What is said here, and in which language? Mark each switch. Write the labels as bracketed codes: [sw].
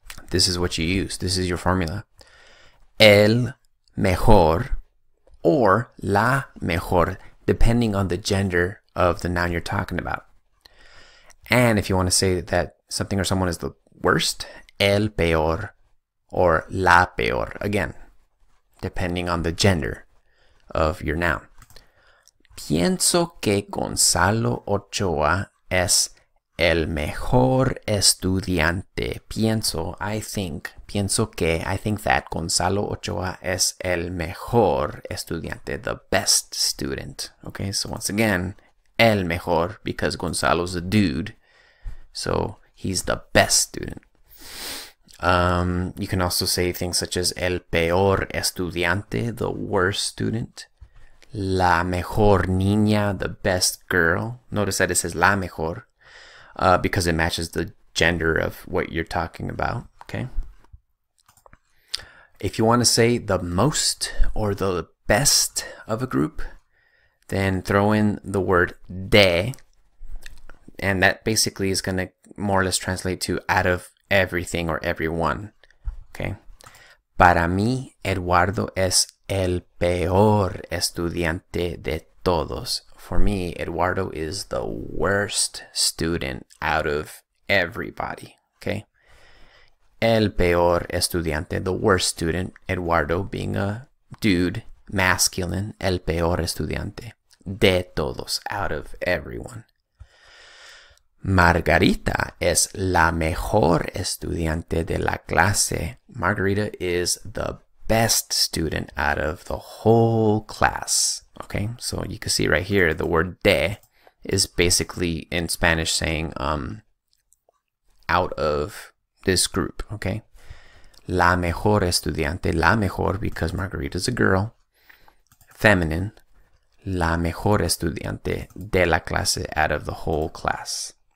[en] This is what you use. This is your formula. El mejor or la mejor, depending on the gender of the noun you're talking about. And if you want to say that something or someone is the worst, el peor or la peor, again, depending on the gender of your noun. [es] Pienso que Gonzalo Ochoa es el mejor estudiante. [en] I think that Gonzalo Ochoa [es] es el mejor estudiante, [en] the best student. Okay, so once again, el mejor, because Gonzalo's a dude. So he's the best student. You can also say things such as [es] el peor estudiante, [en] the worst student. [es] La mejor niña, [en] the best girl. Notice that it says la mejor because it matches the gender of what you're talking about, okay? If you want to say the most or the best of a group, then throw in the word de. And that basically is going to more or less translate to out of everything or everyone. Okay. [es] Para mí, Eduardo es el peor estudiante de todos. [en] For me, Eduardo is the worst student out of everybody. Okay. [es] El peor estudiante, [en] the worst student, Eduardo being a dude, masculine, [es] el peor estudiante de todos, [en] out of everyone. [es] Margarita es la mejor estudiante de la clase. [en] Margarita is the best student out of the whole class. Okay, so you can see right here, the word de is basically in Spanish saying out of this group, okay? [es] La mejor estudiante, la mejor, [en] because Margarita is a girl, feminine, [es] la mejor estudiante de la clase, [en] out of the whole class.